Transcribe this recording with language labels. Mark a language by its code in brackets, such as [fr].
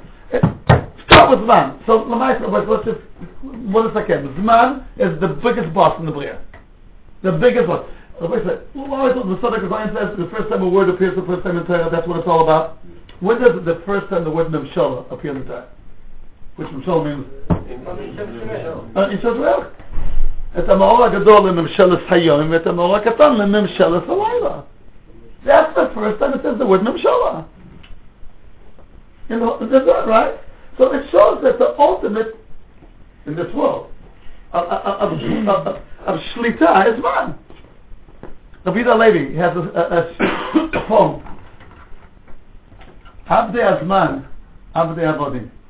[en] Start with Zman. So let's just, what if I can? Zman is the biggest boss in the Bria. The biggest boss. Rabbi said, well, always the Sadek of Zion says, the first time a word appears the first time in Torah, that's what it's all about. When does the first time the word Memshala appear in the Torah? Which Memshala means? In Shoshuach. [he] את המאור הגדול לממשלת היום ואת המאור הקטן לממשלת הלילה. [en] That's the first time it says the word ממשלה. You know, that's right? So it shows that the ultimate in this world of Shlita is man. Rabbi Dalevi has a poem. Abdi Azman Abdei Avodim.